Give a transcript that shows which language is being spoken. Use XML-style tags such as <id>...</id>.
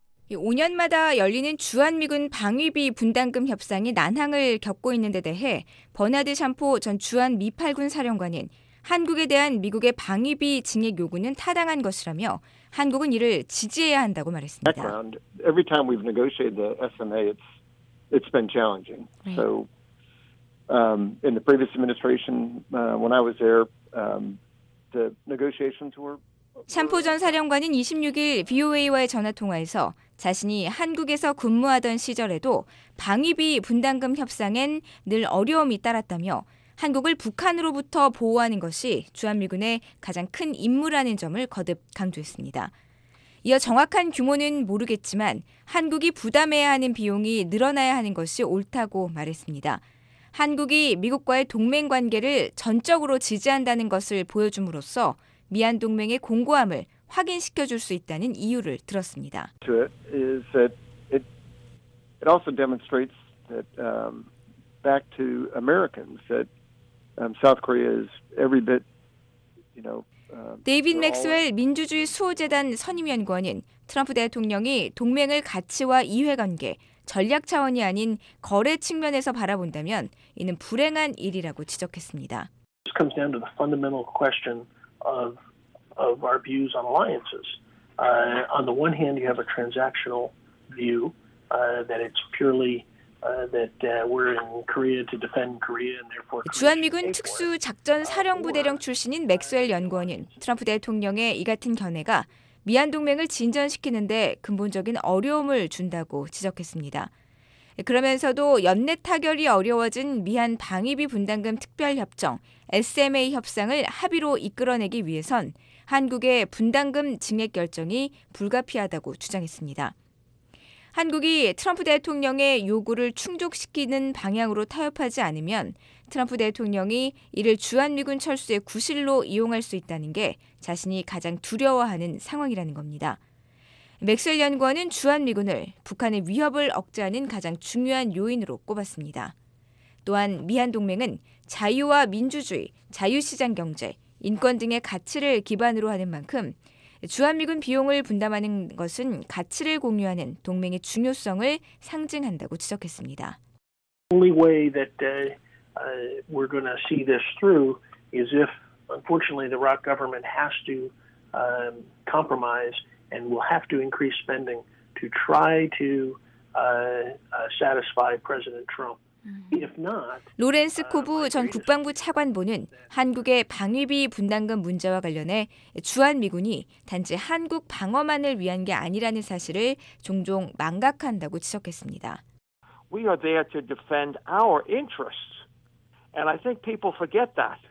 <ko>5년마다 열리는 주한미군 방위비 분담금 협상이 난항을 겪고 있는 데 대해 버나드 샴포 전 주한미팔군 사령관은 한국에 대한 미국의 방위비 증액 요구는 타당한 것이라며 한국은 이를 지지해야 한다고 말했습니다.</ko> <en>Every time we've negotiated the SMA, it's been challenging. So in the previous administration, when I was there, the negotiations were</en> <ko>샴포 전 사령관은 26일 VOA와의 전화통화에서 자신이 한국에서 근무하던 시절에도 방위비 분담금 협상엔 늘 어려움이 따랐다며 한국을 북한으로부터 보호하는 것이 주한미군의 가장 큰 임무라는 점을 거듭 강조했습니다. 이어 정확한 규모는 모르겠지만 한국이 부담해야 하는 비용이 늘어나야 하는 것이 옳다고 말했습니다. 한국이 미국과의 동맹관계를 전적으로 지지한다는 것을 보여줌으로써 미한 동맹의 공고함을 확인시켜 줄 수 있다는 이유를 들었습니다.</ko> <en>It also demonstrates that back to Americans that South Korea is every bit, you know.</en> <ko>데이빗 맥스웰 민주주의 수호재단 선임연구원은 트럼프 대통령이 동맹을 가치와 이해관계, 전략 차원이 아닌 거래 측면에서 바라본다면 이는 불행한 일이라고 지적했습니다.</ko> <en>This comes down to the fundamental question. Of our views on alliances. On the one hand, you have a transactional view that it's purely we're in Korea to defend Korea and therefore.</en> <ko>주한미군 특수 작전 사령 부대령 출신인 맥스웰 연구원은 트럼프 대통령의 이 같은 견해가 미한 동맹을 진전시키는데 근본적인 어려움을 준다고 지적했습니다. 그러면서도 연내 타결이 어려워진 미한 방위비 분담금 특별협정 SMA 협상을 합의로 이끌어내기 위해선 한국의 분담금 증액 결정이 불가피하다고 주장했습니다. 한국이 트럼프 대통령의 요구를 충족시키는 방향으로 타협하지 않으면 트럼프 대통령이 이를 주한미군 철수의 구실로 이용할 수 있다는 게 자신이 가장 두려워하는 상황이라는 겁니다. 맥스웰 연구원은 주한미군을 북한의 위협을 억제하는 가장 중요한 요인으로 꼽았습니다. 또한 미한동맹은 자유와 민주주의, 자유시장 경제, 인권 등의 가치를 기반으로 하는 만큼 주한미군 비용을 분담하는 것은 가치를 공유하는 동맹의 중요성을 상징한다고 지적했습니다.</ko> <en>Only way that we're going to see this through is if unfortunately the Iraq government has to compromise and will have to increase spending to try to satisfy President Trump.</en> <ko>로렌스 코브 전 국방부 차관보는 한국의 방위비 분담금 문제와 관련해 주한미군이 단지 한국 방어만을 위한 게 아니라는 사실을 종종 망각한다고 지적했습니다.</ko> <en>We are there to defend our interests. And I think people forget that.</en>